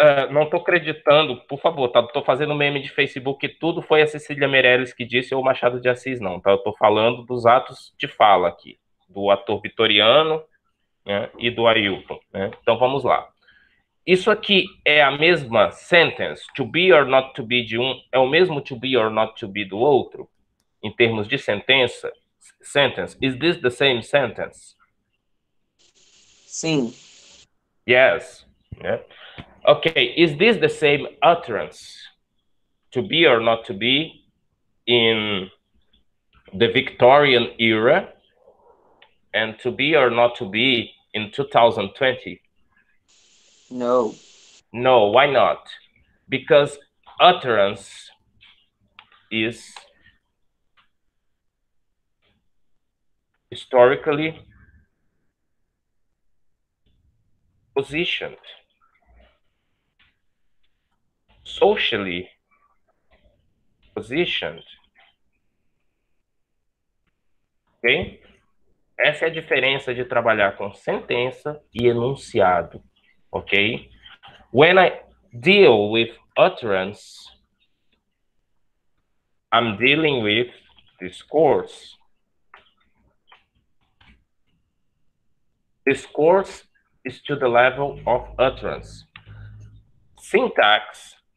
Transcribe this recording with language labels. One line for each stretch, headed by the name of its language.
Portuguese: Não tô acreditando, por favor, tá? Tô fazendo meme de Facebook que tudo foi a Cecília Meirelles que disse ou o Machado de Assis, não, tá? Eu tô falando dos atos de fala aqui, do ator vitoriano, né, e do Ailton, né? Então vamos lá. Isso aqui é a mesma sentence,
English: to be or not to be
Portuguese: de um, é o mesmo to be or not to be do outro, em termos de sentença?
English: Sentence, is this the same sentence?
Portuguese: Sim.
English: Yes. Yeah. Okay, is this the same utterance, to be or not to be, in the Victorian era, and to be or not to be in 2020? No. No, why not? Because utterance is historically positioned. Socially positioned. Ok?
Portuguese: Essa é a diferença de trabalhar com sentença e enunciado. Ok?
English: When I deal with utterance, I'm dealing with discourse. Discourse is to the level of utterance. Syntax